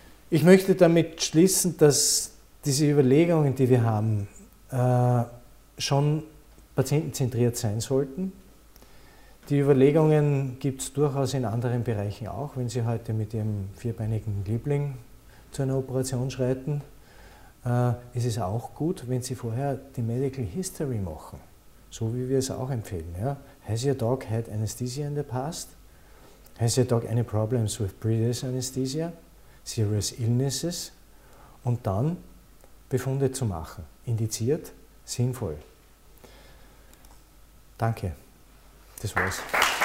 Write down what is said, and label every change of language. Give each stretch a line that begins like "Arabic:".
German: Ich möchte damit schließen, dass diese Überlegungen, die wir haben, schon patientenzentriert sein sollten. Die Überlegungen gibt es durchaus in anderen Bereichen auch, wenn Sie heute mit Ihrem vierbeinigen Liebling zu einer Operation schreiten. Es ist auch gut, wenn Sie vorher die Medical History machen, so wie wir es auch empfehlen. Ja?
English: Has your dog had anesthesia in the past? Has your dog any problems with previous anesthesia? Serious illnesses?
German: Und dann Befunde zu machen. Indiziert, sinnvoll. Danke.
English: This was.